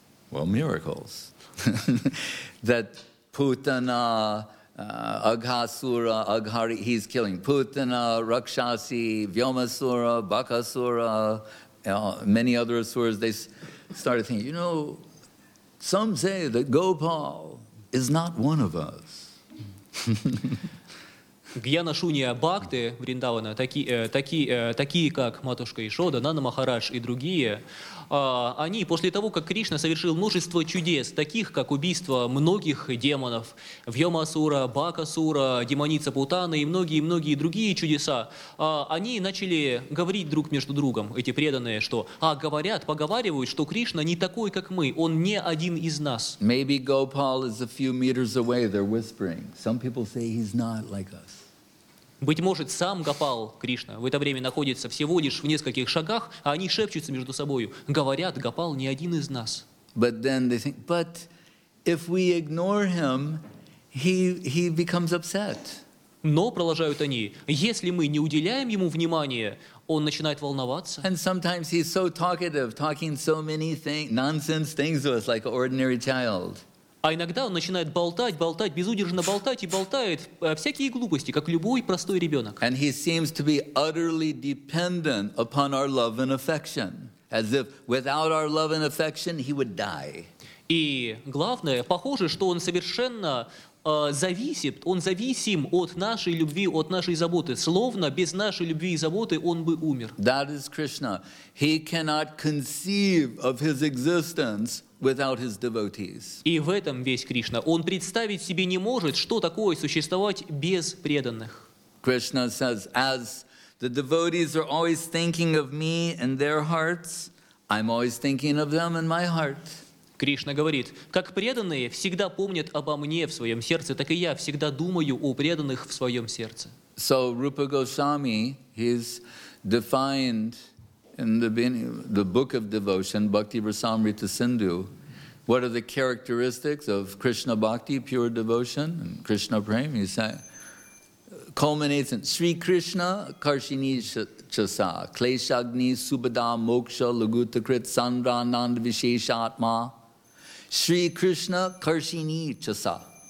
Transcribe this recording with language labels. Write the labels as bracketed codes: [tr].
[en] miracles, that Putana, Aghasura, Aghari, he's killing Putana, Rakshasi, Vyomasura, Bakasura, many other asuras, they started thinking, you know, some say that Gopal is not one of us. [ru] Гьянашуния Бхакты Вриндавана, такие как матушка Ишода, Нана Махарадж и другие, они после того, как Кришна совершил множество чудес, таких как убийство многих демонов, Вьомасура, Бакасура, демоница Путана и многие-многие другие чудеса, они начали говорить друг между другом, эти преданные, что поговаривают, что Кришна не такой, как мы, он не один из нас. [en] Maybe Gopal is a few meters away, they're whispering. Some people say he's not like us. [ru] Быть может, сам Гопал, Кришна, в это время находится всего лишь в нескольких шагах, а они шепчутся между собою, говорят, Гопал не один из нас. [en] But then they think, but if we ignore him, he becomes upset. [ru] Но, продолжают они, если мы не уделяем ему внимания, он начинает волноваться. [en] And sometimes he's so talkative, talking so many nonsense things to us, like an ordinary child. [ru] А иногда он начинает болтать, безудержно болтать и болтает всякие глупости, как любой простой ребенок. [en] And he seems to be utterly dependent upon our love and affection, as if without our love and affection he would die. [ru] И главное, похоже, что он совершенно зависит, он зависим от нашей любви, от нашей заботы, словно без нашей любви и заботы он бы умер. [en] That is Krishna. He cannot conceive of his existence without his devotees. [ru] И в этом весь Кришна. Он представить себе не может, что такое существовать без преданных. [en] Krishna says, as the devotees are always thinking of me in their hearts, I'm always thinking of them in my heart. [ru] Кришна говорит, как преданные всегда помнят обо мне в своем сердце, так и я всегда думаю о преданных в своем сердце. [en] So Rupa Goswami, he's defined in the beginning, the book of devotion, Bhakti Rasamrita Sindhu, what are the characteristics of Krishna Bhakti, pure devotion, and Krishna Prem, he said, culminates in Sri Krishna, Karshini Chasa, [sa] Kleshagni, Subhada, Moksha, Lagutakrit, Sandra, Nanda Visheshatma, Sri Krishna, Karshini Chasa.